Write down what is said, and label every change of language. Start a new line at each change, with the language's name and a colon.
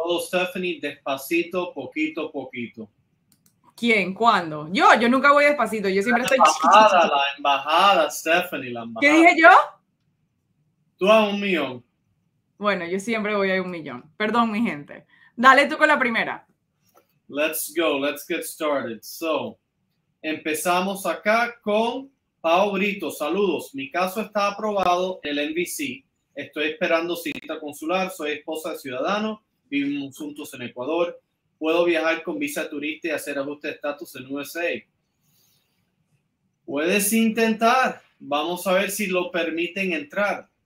Spanish: Todo, Stephanie, despacito, poquito a poquito. ¿Quién? ¿Cuándo? Yo nunca voy despacito, yo siempre estoy. La embajada, Stephanie, la ¿Qué embajada. dije yo? Tú a 1 millón. Bueno, yo siempre voy a un millón. Perdón, mi gente. Dale tú con la primera.
English: Let's go, let's get started.
Spanish: So, empezamos acá con Pau Brito. Saludos. Mi caso está aprobado en el NBC. Estoy esperando cita consular. Soy esposa de ciudadano. Vivimos juntos en Ecuador. ¿Puedo viajar con visa turista y hacer ajuste de estatus en USA? Puedes intentar. Vamos a ver si lo permiten entrar.